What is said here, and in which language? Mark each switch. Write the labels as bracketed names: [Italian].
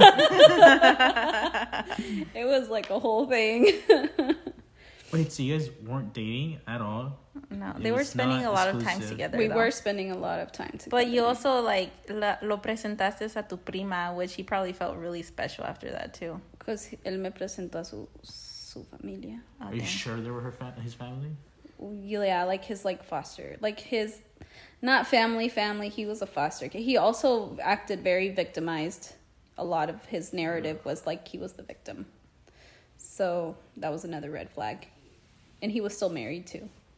[English] It was like a whole thing. Wait, so you guys weren't dating at all? No, they were spending a lot of time together. We were spending a lot of time together. But you also like [Spanish] lo presentaste a tu prima, [English] which he probably felt really special after that too. Because [Spanish] él me presentó a su familia. [English] Are you sure they were his family? Yeah, like his like foster, like his. Not family. He was a foster kid. He also acted very victimized. A lot of his narrative was like he was the victim. So that was another red flag. And he was still married, too.